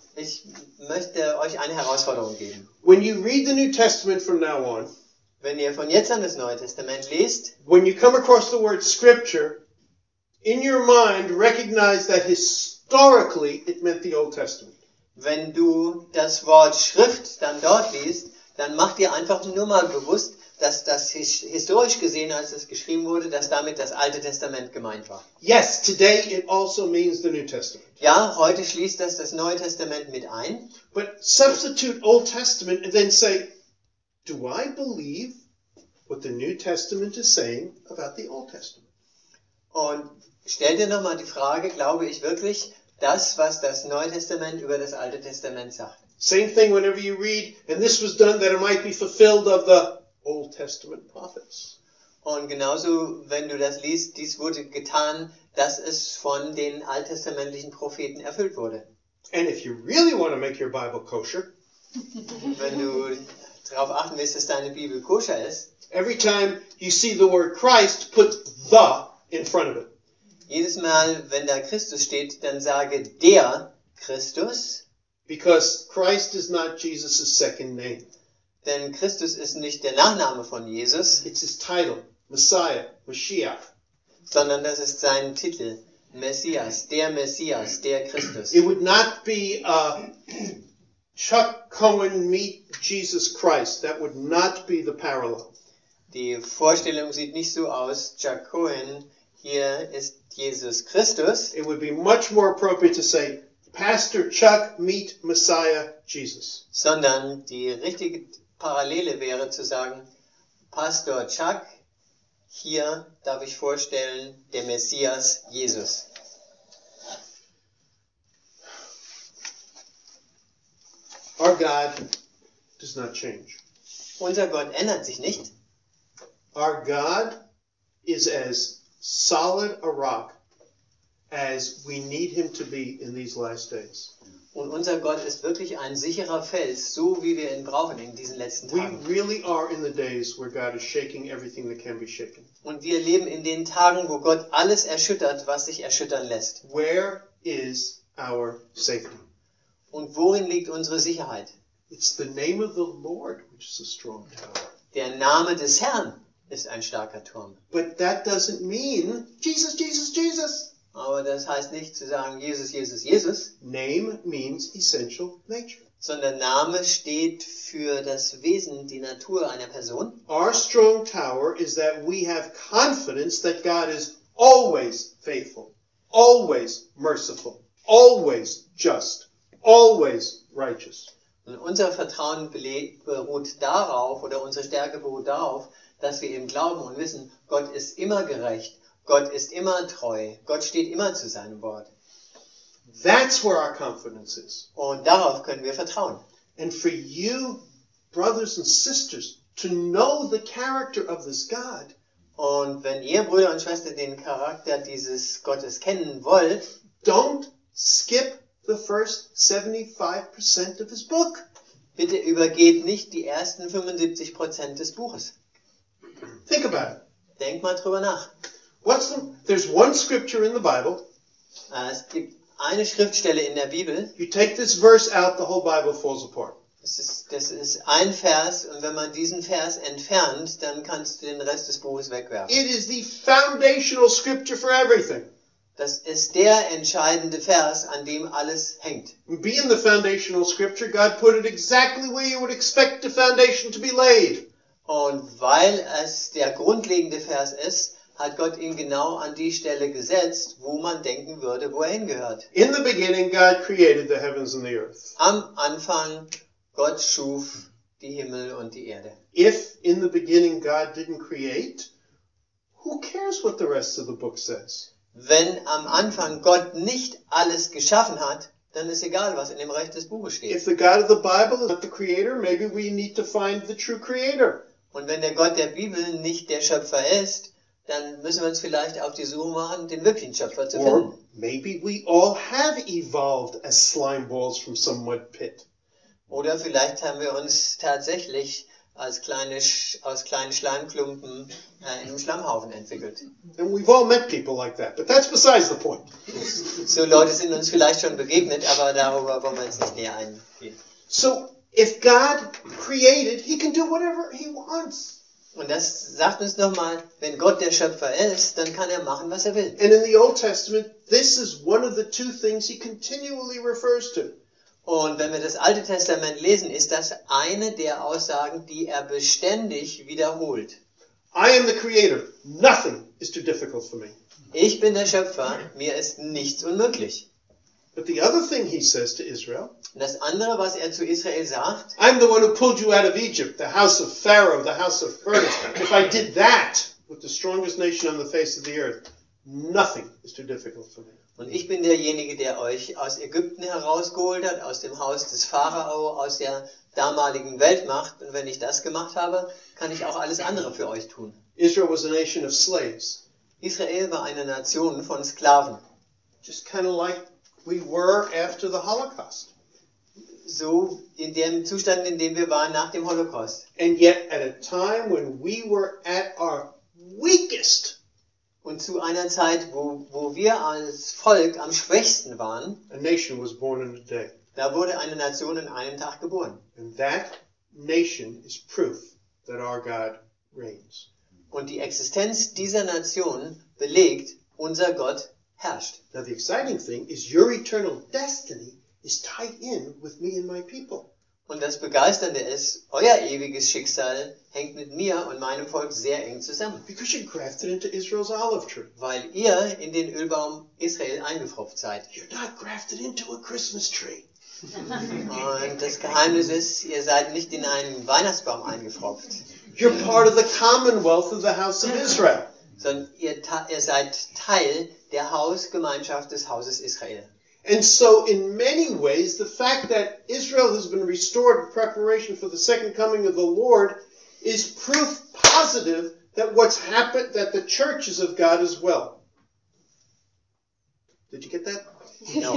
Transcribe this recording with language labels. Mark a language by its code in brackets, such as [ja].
[de] Ich möchte euch eine Herausforderung geben. [en] When you read the New Testament from now on, [de] wenn ihr von jetzt an das Neue Testament liest, [en] when you come across the word Scripture, in your mind recognize that historically it meant the Old Testament. [de] Wenn du das Wort Schrift dann dort liest, dann mach dir einfach nur mal bewusst, dass das historisch gesehen, als es geschrieben wurde, dass damit das Alte Testament gemeint war. [en] Yes, today it also means the New Testament. [de] Ja, heute schließt das Neue Testament mit ein. [en] But substitute Old Testament and then say, do I believe what the New Testament is saying about the Old Testament? [de] Und stell dir nochmal die Frage, glaube ich wirklich, das, was das Neue Testament über das Alte Testament sagt. [en] Same thing whenever you read, and this was done that it might be fulfilled of the Old Testament prophets. [de] Und genauso, wenn du das liest, dies wurde getan, dass es von den alttestamentlichen Propheten erfüllt wurde. [en] And if you really want to make your Bible kosher, [de] wenn du darauf achten willst, dass deine Bibel koscher ist, [en] every time you see the word Christ, put the in front of it. [de] Jedes Mal, wenn da Christus steht, dann sage der Christus. [en] Because Christ is not Jesus' second name. [de] Denn Christus ist nicht der Nachname von Jesus. [en] It's his title, Messiah, Mashiach. [de] Sondern das ist sein Titel, Messias, der Christus. [en] It would not be Chuck Cohen meet Jesus Christ. That would not be the parallel. [de] Die Vorstellung sieht nicht so aus, Chuck Cohen. Hier ist Jesus Christus. [en] It would be much more appropriate to say, Pastor Chuck, meet Messiah Jesus. [de] Sondern die richtige Parallele wäre zu sagen, Pastor Chuck, hier darf ich vorstellen, der Messias Jesus. [en] Our God does not change. [de] Unser Gott ändert sich nicht. [en] Our God is as solid a rock as we need him to be in these last days. [de] Und unser Gott ist wirklich ein sicherer Fels, so wie wir ihn brauchen in diesen letzten Tagen. [en] We really are in the days where God is shaking everything that can be shaken. [de] Und wir leben in den Tagen, wo Gott alles erschüttert, was sich erschüttern lässt. [en] Where is our safety? [de] Und worin liegt unsere Sicherheit? [en] It's the name of the Lord which is a strong tower. [de] Der Name des Herrn ist ein starker Turm. [en] But that doesn't mean Jesus, Jesus, Jesus. [de] Aber das heißt nicht zu sagen Jesus, Jesus, Jesus. [en] Name means essential nature. [de] Sondern Name steht für das Wesen, die Natur einer Person. [en] Our strong tower is that we have confidence that God is always faithful, always merciful, always just, always righteous. [de] Und unser Vertrauen beruht darauf, oder unsere Stärke beruht darauf, dass wir ihm glauben und wissen, Gott ist immer gerecht, Gott ist immer treu, Gott steht immer zu seinem Wort. [en] That's where our confidence is. [de] Und darauf können wir vertrauen. [en] And for you, brothers and sisters, to know the character of this God. [de] Und wenn ihr, Brüder und Schwestern, den Charakter dieses Gottes kennen wollt, [en] don't skip the first 75% of his book. [de] Bitte übergeht nicht die ersten 75% des Buches. [en] Think about it. [de] Denk mal drüber nach. [en] There's one scripture in the Bible. [de] Es gibt eine Schriftstelle in der Bibel. [en] You take this verse out, the whole Bible falls apart. [de] Das ist ein Vers, und wenn man diesen Vers entfernt, dann kannst du den Rest des Buches wegwerfen. [en] It is the foundational scripture for everything. [de] Das ist der entscheidende Vers, an dem alles hängt. [en] Being the foundational scripture, God put it exactly where you would expect the foundation to be laid. [de] Und weil es der grundlegende Vers ist, hat Gott ihn genau an die Stelle gesetzt, wo man denken würde, wo er hingehört. [en] In the beginning God created the heavens and the earth. [de] Am Anfang Gott schuf die Himmel und die Erde. [en] If in the beginning God didn't create, who cares what the rest of the book says? [de] Wenn am Anfang Gott nicht alles geschaffen hat, dann ist egal, was in dem Rest des Buches steht. [en] If the God of the Bible is not the creator, maybe we need to find the true creator. [de] Und wenn der Gott der Bibel nicht der Schöpfer ist, dann müssen wir uns vielleicht auf die Suche machen, den wirklichen Schöpfer zu finden. [en] Or maybe we all have evolved as slime balls from some mud pit. [de] Oder vielleicht haben wir uns tatsächlich aus kleinen Schleimklumpen in einem Schlammhaufen entwickelt. [en] And we've all met people like that, but that's besides the point. [de] So Leute sind uns vielleicht schon begegnet, aber darüber wollen wir jetzt nicht näher eingehen. [en] So if God created, he can do whatever he wants. [de] Und das sagt uns nochmal, wenn Gott der Schöpfer ist, dann kann er machen, was er will. [en] And in the Old Testament, this is one of the two things he continually refers to. [de] Und wenn wir das Alte Testament lesen, ist das eine der Aussagen, die er beständig wiederholt. [en] I am the creator. Nothing is too difficult for me. [de] Ich bin der Schöpfer, mir ist nichts unmöglich. [en] But the other thing he says to Israel, [de] das andere, was er zu Israel sagt, [en] I'm the one who pulled you out of Egypt, the house of Pharaoh, the house of Pharaoh. If I did that with the strongest nation on the face of the earth, nothing is too difficult for me. [de] Und ich bin derjenige, der euch aus Ägypten herausgeholt hat, aus dem Haus des Pharao, aus der damaligen Weltmacht. Und wenn ich das gemacht habe, kann ich auch alles andere für euch tun. [en] Israel was a nation of slaves. [de] Israel war eine Nation von Sklaven. [en] Just kind of like we were after the Holocaust. [de] So in dem Zustand, in dem wir waren nach dem Holocaust. [en] And yet at a time when we were at our weakest. [de] Und zu einer Zeit, wo wir als Volk am schwächsten waren, [en] a nation was born in a day. [de] Da wurde eine Nation in einem Tag geboren. [en] And that nation is proof that our God reigns. [de] Und die Existenz dieser Nation belegt, unser Gott herrscht. [en] Now the exciting thing is your eternal destiny is tied in with me and my people. [de] Und das Begeisternde ist, euer ewiges Schicksal hängt mit mir und meinem Volk sehr eng zusammen. [en] Because you're grafted into Israel's olive tree. [de] Weil ihr in den Ölbaum Israel eingefropft seid. [en] You're not grafted into a Christmas tree. [de] Und das Geheimnis ist, ihr seid nicht in einen Weihnachtsbaum eingefropft. [en] You're part of the commonwealth of the house of Israel. [de] Sondern ihr seid Teil der Hausgemeinschaft des Hauses Israel. [en] And so in many ways the fact that Israel has been restored in preparation for the second coming of the Lord is proof positive that what's happened, that the church is of God as well. Did you get that? No.